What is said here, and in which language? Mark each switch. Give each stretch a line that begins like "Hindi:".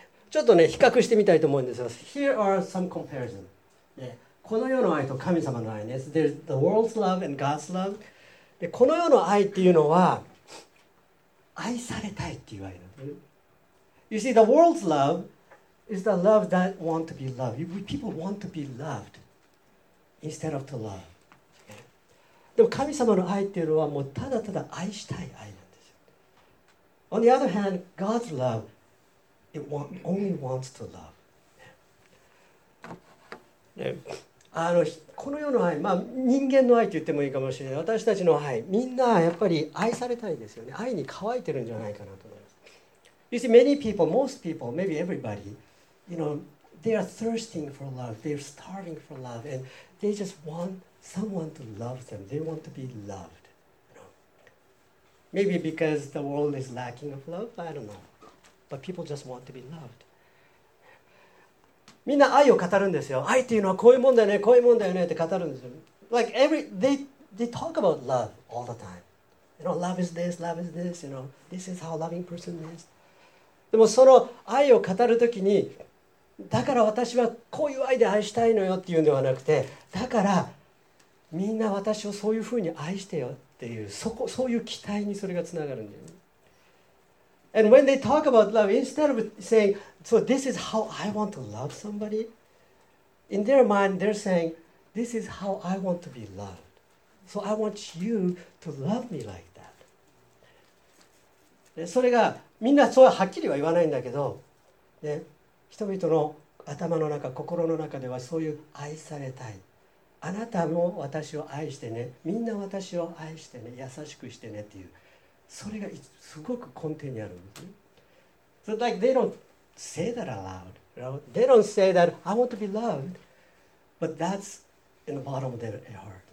Japanese: ちょっとね、比較してみたいと思うんですが、
English: Here are some comparison.
Japanese: この世の愛と神様の愛ね。
English: There's the world's love and God's love.
Japanese: でこの世の愛っていうのは愛されたいっていう愛なんです。
English: You see, the world's love is the love that want to be loved. People want to be loved instead of to love.
Japanese: でも神様の愛っていうのはもうただただ愛したい愛なんです。
English: On the other hand, God's love, it only wants to love.
Japanese: ねこの世の愛、まあ、人間の愛と言ってもいいかもしれない、私たちの愛、みんなやっぱり愛されたいですよね。愛に乾いてるんじゃないかなと思います。
English: You see, many people, most people, maybe everybody, you know, they are thirsting for love, they are starving for love, and they just want someone to love them. They want to be loved. You know? Maybe because the world is lacking of love, I don't know. But people just want to be loved.
Japanese: みんな愛を語るんですよ。愛っていうのはこういうもんだよね、こういうもんだよねって語るんですよ。
English: Like every, they talk about love all the time. You know, love is this, love is this, you know, this is how a loving person is.
Japanese: でもその愛を語るときに、だから私はこういう愛で愛したいのよっていうんではなくて、だからみんな私をそういうふうに愛してよっていう、そういう期待にそれがつながるんだよね。
English: And when they talk about love, instead of saying, so this is how I want to love somebody, in their mind, they're saying, this is how I want to be loved. So I want you to love me like that.
Japanese: それがみんなそうはっきりは言わないんだけど、ね、人々の頭の中、心の中ではそういう愛されたい。あなたも私を愛してね。みんな私を愛してね。優しくしてねっていう。それがすごく根底にあるんです。
English: So like they don't say that aloud. You know? They don't say that I want to be loved. But that's in the bottom of their heart.